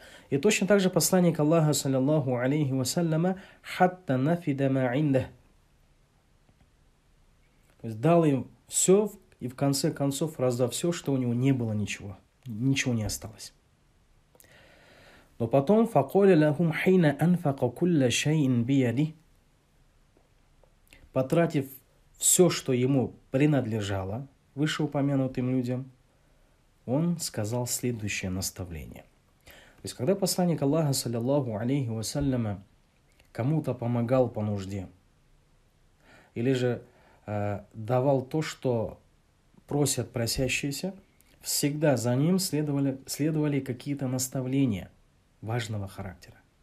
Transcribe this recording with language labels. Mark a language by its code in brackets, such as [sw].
[ru] И точно так же посланник Аллаха, саллиллаху алейхи вассаляма, [ar] «хатта нафида ма инда». [ru] То есть дал им все, и в конце концов раздал все, что у него не было ничего. Ничего не осталось. Но потом [ar] فَقَالَ لَهُمْ حِينَ أَنْفَقَ كُلَّ شَيْءٍ بِيَدِ. [ru] Потратив все, что ему принадлежало, вышеупомянутым людям, он сказал следующее наставление. То есть когда посланник Аллаха, саллиллаху алейхи вассаляма, кому-то помогал по нужде, или же давал то, что просят просящиеся, всегда за ним следовали какие-то наставления важного характера.